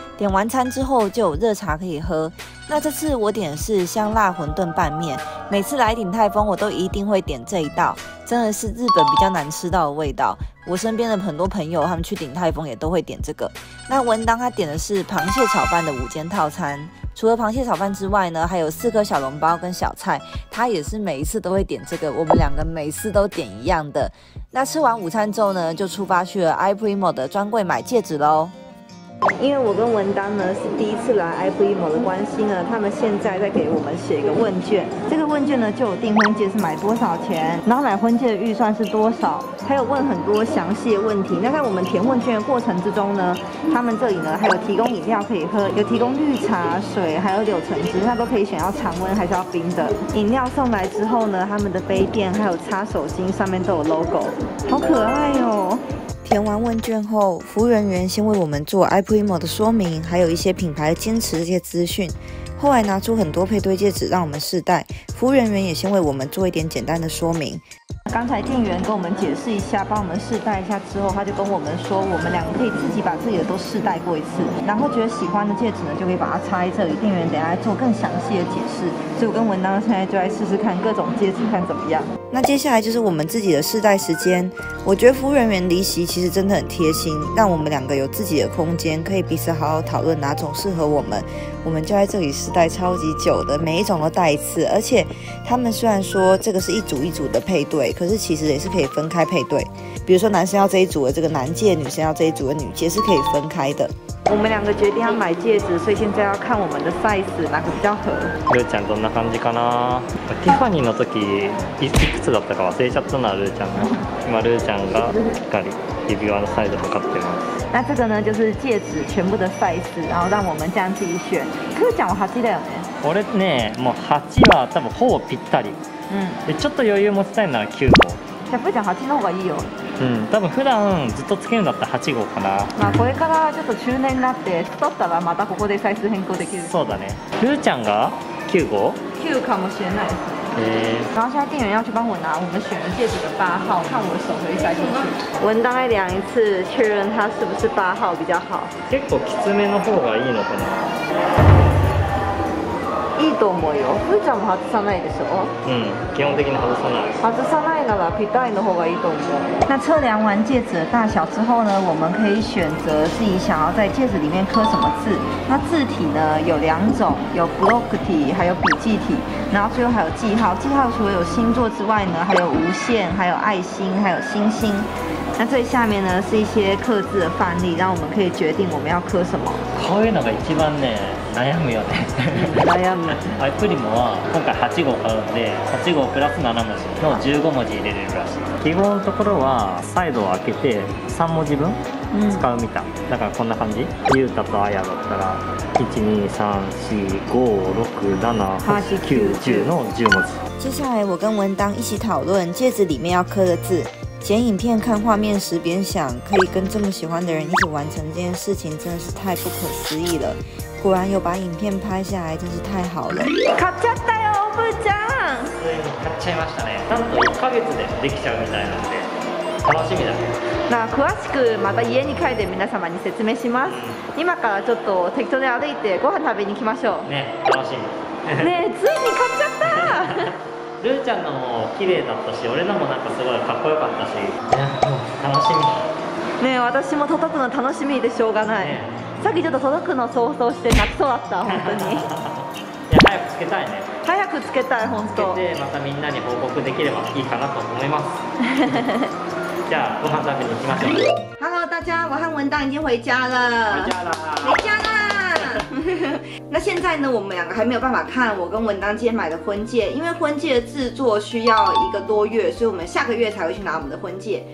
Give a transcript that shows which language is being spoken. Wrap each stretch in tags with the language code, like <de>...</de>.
<zh>点完餐之后就有热茶可以喝，那这次我点的是香辣馄饨拌面，每次来鼎泰丰我都一定会点这一道，真的是日本比较难吃到的味道。我身边的很多朋友他们去鼎泰丰也都会点这个。那文当他点的是螃蟹炒饭的午间套餐，除了螃蟹炒饭之外呢，还有四颗小笼包跟小菜，他也是每一次都会点这个，我们两个每次都点一样的。那吃完午餐之后呢，就出发去了 iPrimo 的专柜买戒指咯。因为我跟文当呢是第一次来 iPrimo 的关系呢，他们现在在给我们写一个问卷，这个问卷呢就有订婚戒是买多少钱，然后买婚戒的预算是多少，还有问很多详细的问题。那在我们填问卷的过程之中呢，他们这里呢还有提供饮料可以喝，有提供绿茶水还有柳橙汁，那都可以选要常温还是要冰的。饮料送来之后呢，他们的杯垫还有擦手巾上面都有 logo， 好可爱哦。填完问卷后，服务人员先为我们做 iPrimo 的说明，还有一些品牌的坚持这些资讯。后来拿出很多配对戒指让我们试戴，服务人员也先为我们做一点简单的说明。刚才店员跟我们解释一下，帮我们试戴一下之后，他就跟我们说，我们两个可以自己把自己的都试戴过一次，然后觉得喜欢的戒指呢，就可以把它插在这里。店员等一下做更详细的解释，所以我跟文当现在就来试试看各种戒指，看怎么样。那接下来就是我们自己的试戴时间。我觉得服务人员离席其实真的很贴心，让我们两个有自己的空间，可以彼此好好讨论哪种适合我们。我们就在这里试戴超级久的，每一种都戴一次。而且他们虽然说这个是一组一组的配对，可是其实也是可以分开配对。比如说男生要这一组的这个男戒，女生要这一组的女戒，是可以分开的。我们两个决定要买戒指，所以现在要看我们的 size 哪个比较合。</zh> <ja>ルーちゃんどんな感じかな？ティファニーの時いくつだったか忘れちゃったな。ルーちゃんが今ルーちゃんがしっかり。指輪のサイズを測ってます。</ja> <zh>那这个呢就是戒指全部的 size， 然后让我们这样自己选。</zh> <ja>クーちゃんは8だよね。俺ね、もう8は多分ほぼぴったり。でちょっと余裕持ちたいなら9個。じゃあプーちゃん8の方がいいよ。うん、多分普段ずっとつけるんだったら8号かな。まあこれからちょっと中年になって太ったらまたここでサイズ変更できる。そうだね。クーちゃんが9号？ 9 かもしれないです。</ja> <zh>然后现在店员要去帮我拿我们选的戒指的八号，看我手可以塞进去。文丹来量一次，确认它是不是八号比较好。</zh> <ja>結構きつめの方がいいのかな。いいと思うよ。ふーちゃんも外さないでしょ。うん、基本的に外さない。外さないならぴったりの方がいいと思う。</ja> <zh>那测量完戒指的大小之后呢，我们可以选择自己想要在戒指里面刻什么字。那字体呢有两种，有 block 体，还有笔记体，然后最后还有记号。记号除了有星座之外呢，还有无限，还有爱心，还有星星。那最下面呢是一些刻字的范例，让我们可以决定我们要刻什么。</zh> <ja>こういうのが一番ね悩むよね。悩む。あいプリモは今回8号買うんで、8号プラス7文字の15文字入れれるらしい。記号のところはサイドを開けて3文字分使うみたい。だからこんな感じ。ユータとアヤだったら1234567891010の10文字。</ja> <zh>接下来我跟文当一起讨论戒指里面要刻的字。剪影片看画面时边想，可以跟这么喜欢的人一起完成这件事情，真的是太不可思议了。果然有把影片拍下来，真是太好了。</zh> <ja>買っちゃったよ、おぶちゃん。ついに買っちゃいましたね。なんと1ヶ月でできちゃうみたいなので、楽しみだ。那詳しくまた家に帰って皆様に説明します。今からちょっと適当に歩いてご飯食べに行きましょう。ね、楽しみ。ねえ、ついに買っちゃった。ルーちゃんのも綺麗だったし、俺のもなんかすごいかっこよかったし、楽しみ。ねえ、私も届くの楽しみでしょうがない。さっきちょっと届くの想像して泣きそうだった、本当に。いや早くつけたいね。早くつけたい、本当。つけてまたみんなに報告できればいいかなと思います。じゃあご飯食べに行きましょう。</ja> <zh>Hello 大家，我和文丹已经回家了。回家啦。回家啦。那现在呢，我们两个还没有办法看我跟文当今天买的婚戒，因为婚戒的制作需要一个多月，所以我们下个月才会去拿我们的婚戒。</zh>